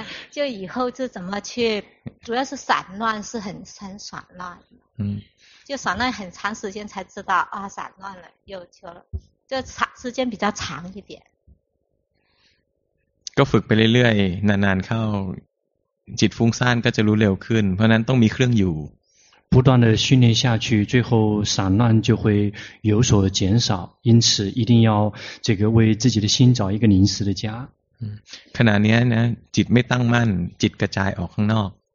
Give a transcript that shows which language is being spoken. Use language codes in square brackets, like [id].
[zh] 就以后就怎么去主要是散乱是很散乱就散乱很长时间才知道啊散乱了又去了就长时间比较长一点 [th] ก็ฝึกไปเรื่อยๆนานๆเข้าจิตฟุ้งซ่านก็จะรู้เร็วขึ้นเพราะนั้นต้องมีเครื่องอยู่ [zh] 不断的训练下去最后散乱就会有所减少因此一定要这个为自己的心找一个临时的家 [th] ขณะนี้นะจิตไม่ตั้งมั่นจิตกระจายออกข้างนอก